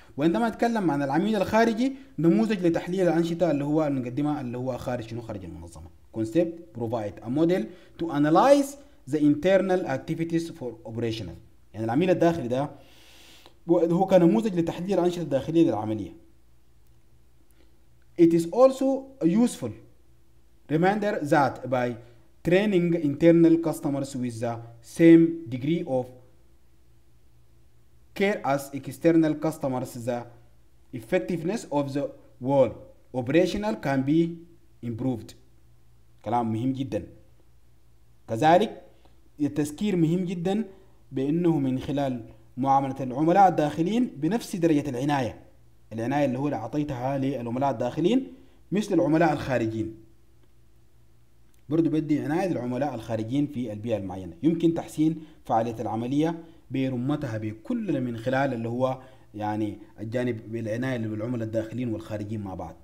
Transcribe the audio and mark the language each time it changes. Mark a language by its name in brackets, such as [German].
[Arabic] وعندما أتكلم عن العميل الخارجي، نموذج لتحليل الأنشطة اللي هو نقدمها اللي هو خارج شنو، خارج المنظمة. [English] Concept provide a model to analyze the internal activities for operational. [Arabic] يعني العميل الداخلي ده هو كنموذج لتحليل الأنشطة الداخلية للعملية. [English] It is also a useful reminder that by training internal customers with the same degree of care as external customers, the effectiveness of the whole operational can be improved. [Arabic] كلام مهم جدا. كذلك التذكير مهم جدا بأنه من خلال معاملة العملاء الداخلين بنفس درجة العناية. العناية اللي هو اللي عطيتها للعملاء الداخلين مثل العملاء الخارجين. برضو بدي عناية العملاء الخارجين في البيئة المعينة. يمكن تحسين فعالية العملية برمتها بكل من خلال اللي هو يعني الجانب بالعناية للعملاء الداخلين والخارجين مع بعض.